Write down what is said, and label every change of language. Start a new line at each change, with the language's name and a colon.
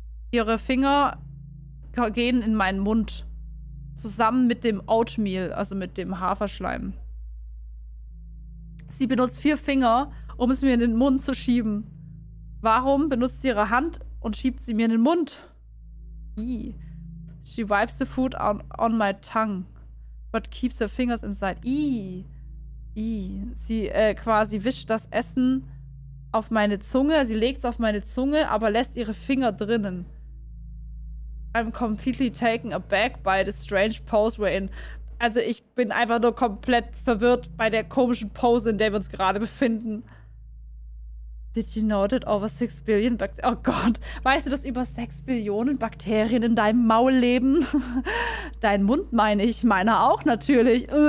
German: Ihre Finger gehen in meinen Mund. Zusammen mit dem Oatmeal, also mit dem Haferschleim. Sie benutzt vier Finger, um es mir in den Mund zu schieben. Warum benutzt sie ihre Hand und schiebt sie mir in den Mund? Ii.
English: She wipes the food on my tongue, but keeps her fingers inside. Ii. Ii.
German: Sie quasi wischt das Essen auf meine Zunge. Sie legt es auf meine Zunge, aber lässt ihre Finger drinnen.
English: I'm completely taken aback by the strange pose we're in.
German: Also ich bin einfach nur komplett verwirrt bei der komischen Pose, in der wir uns gerade befinden.
English: Did you know that over 6 billion
German: Bakterien. Oh Gott, weißt du, dass über 6 Billionen Bakterien in deinem Maul leben? Dein Mund meine ich, meiner auch natürlich.